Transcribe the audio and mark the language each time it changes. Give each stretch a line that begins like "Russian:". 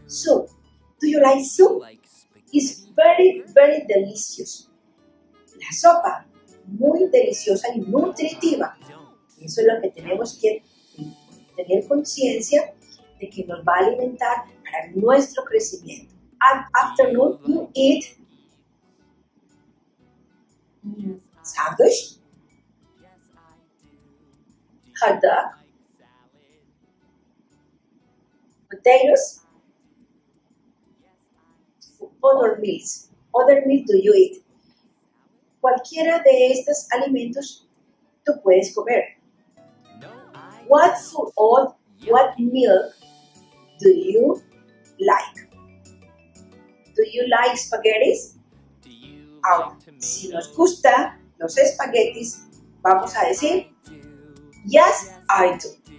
English: Soup. Do you like soup? Like it's very, very delicious.
Spanish: La sopa, muy deliciosa y nutritiva. Eso es lo que tenemos que tener conciencia de que nos va a alimentar para nuestro crecimiento.
English: At afternoon, you eat sandwich, hot dog, potatoes, other meals. Other meals do you eat?
Spanish: Cualquiera de estos alimentos tú puedes comer.
English: What food or what milk do you like? Do you like spaghettis?
Spanish: Si nos gusta los espaguetis, vamos a decir
English: yes, I do.